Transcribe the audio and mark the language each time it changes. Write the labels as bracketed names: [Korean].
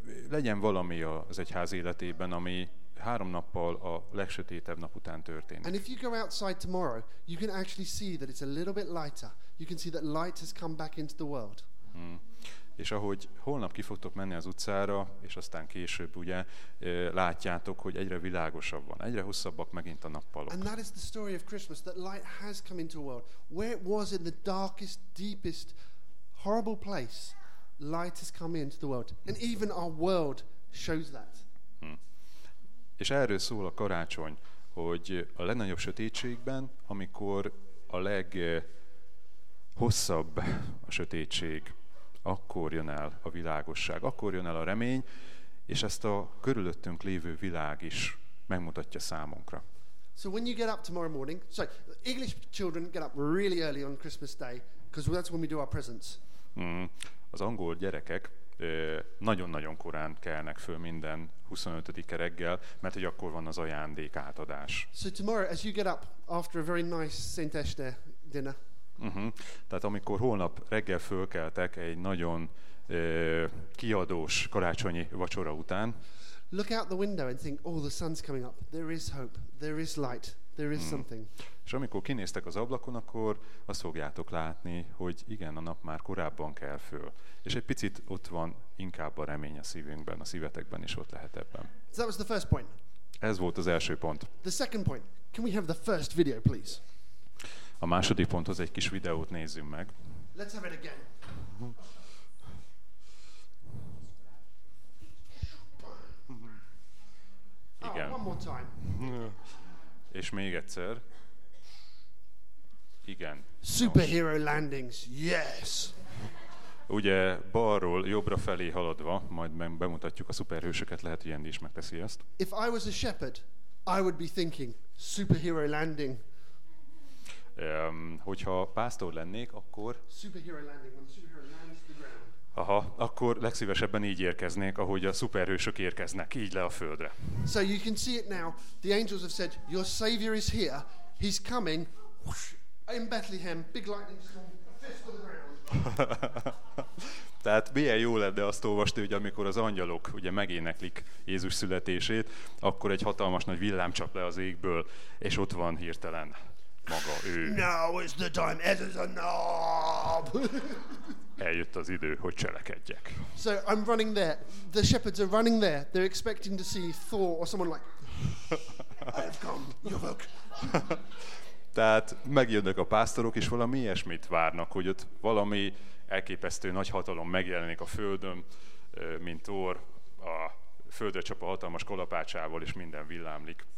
[Hungarian] Legyen valami az egyház életében, ami 3 nappal a legsötétebb nap után történik. [English] And if you go outside tomorrow, you can actually see that it's a little bit lighter. You can see that light has come back into the world. Hmm. [Hungarian] És ahogy holnap ki fogtok menni az utcára, és aztán később ugye látjátok, hogy egyre világosabb van, egyre hosszabbak megint a nappalok. [English] And that is the story of Christmas, that light has come into the world. Where it was in the darkest, deepest, horrible place, light has come into the world. And even our world shows that. [Hungarian] És erről szól a karácsony, hogy a legnagyobb sötétségben, amikor a leghosszabb a sötétség, akkor jön el a világosság, akkor jön el a remény, és ezt a körülöttünk lévő világ is megmutatja számunkra. [English] So when you get up tomorrow morning, sorry, English children get up really early on Christmas Day, because that's when we do our presents. [Hungarian] Az angol gyerekek nagyon-nagyon korán kelnek föl minden 25-e reggel, mert hogy akkor van az ajándék átadás. [English] So tomorrow, as you get up after a very nice Saint Este dinner. [Hungarian] Tehát amikor holnap reggel fölkeltek egy nagyon kiadós karácsonyi vacsora után. [English] Look out the window and think, oh, the sun's coming up. There is hope. There is light. There is something. [Hungarian] És amikor kinéztek az ablakon, akkor azt fogjátok látni, hogy igen, a nap már korábban kel föl. És egy picit ott van inkább a remény a szívünkben, a szívetekben is ott lehet ebben. [English] So that was the first point. [Hungarian] Ez volt az első pont. [English] The second point. Can we have the first video, please? [Hungarian] A második ponthoz egy kis videót nézzünk meg. [English] Let's have it again. [Hungarian] Igen. [English] Oh, one more time. [Hungarian] És még egyszer. Igen. [English] Superhero landings, yes! [Hungarian] Ugye balról jobbra felé haladva, majd bemutatjuk a szuperhősöket, lehet, hogy Andy is megteszi ezt. [English] If I was a shepherd, I would be thinking, superhero landing. [Hungarian] Hogyha pásztor lennék, akkor... [English] Superhero landing, when the superhero lands the ground. [Hungarian] Aha, akkor legszívesebben így érkeznék, ahogy a szuperhősök érkeznek, így le a földre. [English] So you can see it now, the angels have said, your savior is here, he's coming, in Bethlehem, big lightning storm, fist on the ground. [Hungarian] Tehát milyen jó lenne azt olvasni, hogy amikor az angyalok ugye megéneklik Jézus születését, akkor egy hatalmas nagy villám csap le az égből, és ott van hirtelen maga ő. [English] Now is the time, it is a knob. [Hungarian] Eljött az idő, hogy cselekedjek. [English] So I'm running there. The shepherds are running there. They're expecting to see Thor or someone like, I have come, you're welcome. [Hungarian] Tehát megjönnek a pásztorok, és valami ilyesmit várnak, hogy ott valami elképesztő nagy hatalom megjelenik a földön, mint Thor, a földre csap a hatalmas kalapácsával, és minden villámlik.